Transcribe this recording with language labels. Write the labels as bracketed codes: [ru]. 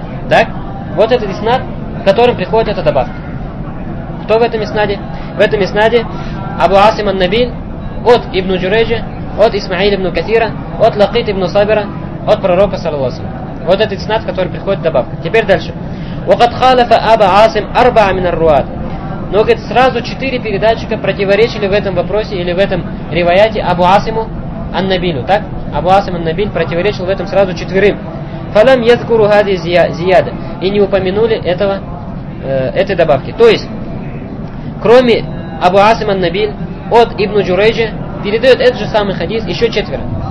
[ru] Так, вот этот иснад, в котором приходит эта добавка. Кто в этом иснаде? В этом иснаде Абу Асим ан-Набиль, от ибн Джурейджа, от Исмаиля ибн Катира, от Лакит ибн Сабира, от пророка саллаллаху алейхи ва саллям. Вот этот снат, который приходит добавка. Теперь дальше. [ar] وقد خالف أبا عاصم أربعة من الرواة. [ru] Но говорит, сразу четыре передатчика противоречили в этом вопросе или в этом риваяте Абу Асиму ан-Набилю, так? Абу Асим ан-Набиль противоречил в этом сразу четверым. [ar] Фалам язкуру хади зияда. [ru] И не упомянули этого, этой добавки. То есть, кроме Абу Асим ан-Набиль, от Ибн Джурейджа передает этот же самый хадис еще четверо.